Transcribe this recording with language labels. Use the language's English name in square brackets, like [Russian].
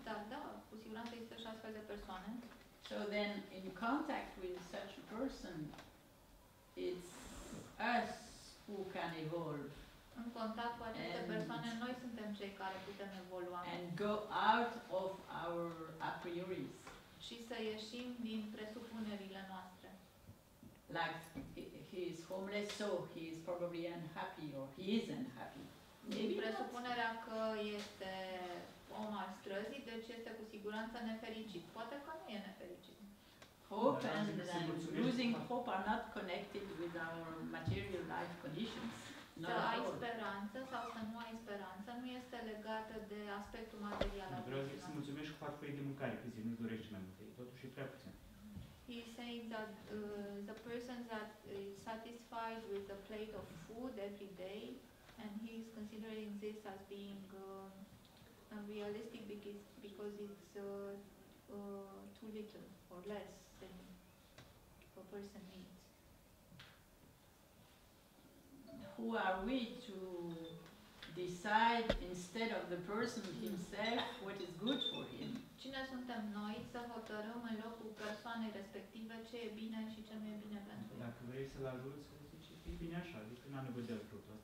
[Romanian] Da, da, cu siguranță există și astfel de persoane. [English] So then, in contact with such a person, it's us who can evolve. [Romanian] În contact cu aceste persoane, noi suntem cei care putem evolua. [English] And go out of our a priori. [Romanian] Și să ieșim din presupunerile noastre. [English] Like he is homeless, so he is probably unhappy, or he is unhappy. [Romanian] Din presupunerea că este om al străzii, deci este cu siguranță nefericit. Poate că nu e nefericit. [English] Hope and losing hope are not connected with our material life conditions. [Romanian] Să ai speranță sau să nu ai speranță nu este legată de aspectul material. Vreau să zic, mulțumesc cu 4 de mâncare pe zi, nu dorești mai multe, totuși e prea puțin. [English] He is saying that the person that is satisfied with a plate of food every day, and he is considering this as being unrealistic because it's too little or less than a person needs. Who are we to decide instead of the person himself what is good for him? [Romanian] Cine suntem noi să hotărâm în locul persoanei respective ce e bine și ce nu e bine pentru el? Dacă vrei să-l ajut, să zici, e bine așa, adică n-am nevoie de ajutor.